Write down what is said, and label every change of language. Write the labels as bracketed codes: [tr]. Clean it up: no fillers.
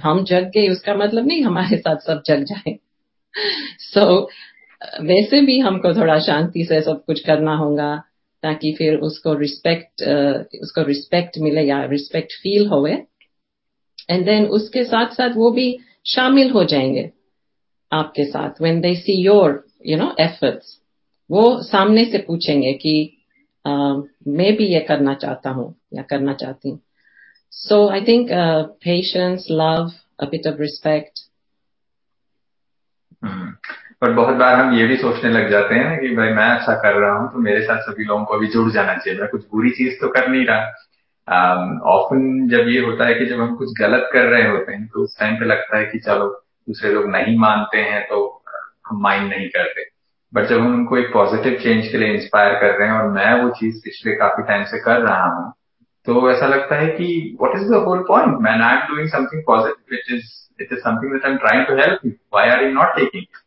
[hi] हम जग गए उसका मतलब नहीं हमारे साथ सब जग जाए, सो वैसे भी हमको थोड़ा शांति से सब कुछ करना होगा ताकि फिर उसको रिस्पेक्ट मिले या रिस्पेक्ट फील होए, [en] and then [hi] उसके साथ साथ वो भी शामिल हो जाएंगे आपके साथ [en] When they see your you know efforts. [hi] वो सामने से पूछेंगे कि मैं भी ये करना चाहता हूँ या करना चाहती हूँ। [en] So I think patience, love, a bit of respect. [hi] पर बहुत बार हम ये भी सोचने लग जाते हैं ना कि भाई मैं अच्छा कर रहा हूँ तो मेरे साथ सभी लोगों को भी जुड़ जाना चाहिए, मैं कुछ बुरी चीज तो कर नहीं रहा। ऑफन जब ये होता है कि जब हम कुछ गलत कर रहे होते हैं तो उस टाइम पे लगता है कि चलो दूसरे लोग नहीं मानते हैं तो हम माइंड नहीं करते, बट जब हम उनको एक पॉजिटिव चेंज के लिए इंस्पायर कर रहे हैं और मैं वो चीज पिछले काफी टाइम से कर रहा हूँ तो ऐसा लगता है कि [en] What is the whole point, man I am doing something positive which is it is something that I am trying to help you, why are you not taking.